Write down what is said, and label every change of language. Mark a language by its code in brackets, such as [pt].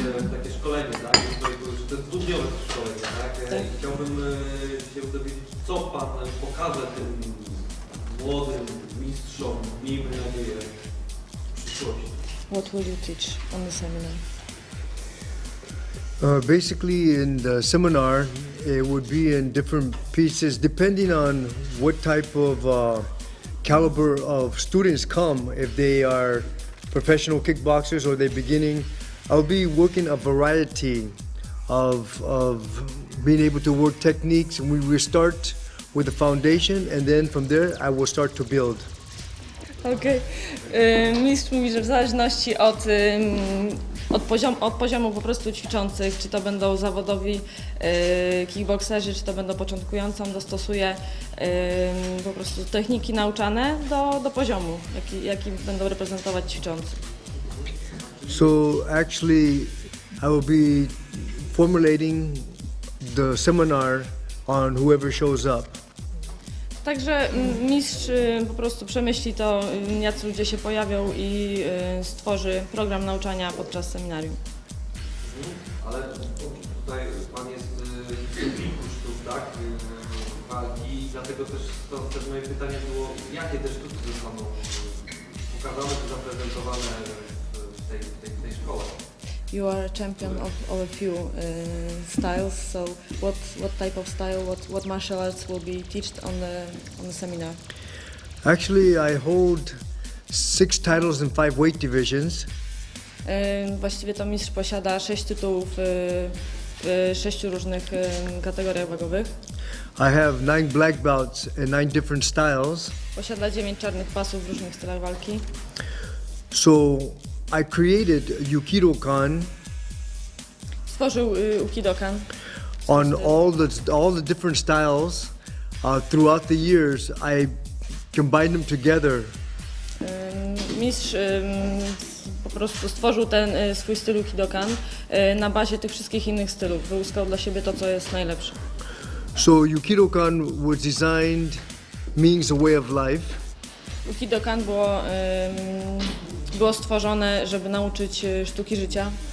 [pl] Takie szkolenie, tak? Że to jest dwudniowe szkolenie, tak? Chciałbym się dowiedzieć, co pan pokaże tym młodym mistrzom, miejmy nadzieję, w przyszłości. [en] What will you teach on the seminar? Basically, in the seminar, it would be in different pieces, depending on what type of caliber of students come. If they are professional kickboxers or they're beginning, I'll be working a variety of being able to work techniques. And we will start with the foundation, and then from there, I will start to build. Okay. [pl] Mistrz mówi, że w zależności od poziomu po prostu ćwiczących, czy to będą zawodowi kickboxerzy, czy to będą początkujący, on dostosuje po prostu techniki nauczane do poziomu, jaki będą reprezentować ćwiczący. [en] So actually I will be formulating the seminar on whoever shows up. [pl] Także mistrz po prostu przemyśli to, jacy ludzie się pojawią i stworzy program nauczania podczas seminarium. Ale tutaj pan jest w kilku sztuk, tak? Walki, dlatego też moje pytanie było, jakie te sztuki zostaną pokazane czy zaprezentowane w tej szkole? [en] You are a champion of a few styles. So, what type of style? What martial arts will be taught on the seminar? Actually, I hold 6 titles in 5 weight divisions. [pl] Właściwie to mistrz posiada 6 tytułów w 6 różnych kategoriach wagowych. [en] I have 9 black belts in 9 different styles. [pl] Posiada 9 czarnych pasów w różnych stylach walki. [en] So. I created Ukidokan. [pl] Stworzył Ukidokan. [en] On all the different styles throughout the years, I combined them together. [pl] Mistrz po prostu stworzył ten swój styl Ukidokan na bazie tych wszystkich innych stylów. Wyłuskał dla siebie to, co jest najlepsze. [en] So Ukidokan was designed means a way of life. [pl] Ukidokan było stworzone, żeby nauczyć sztuki życia.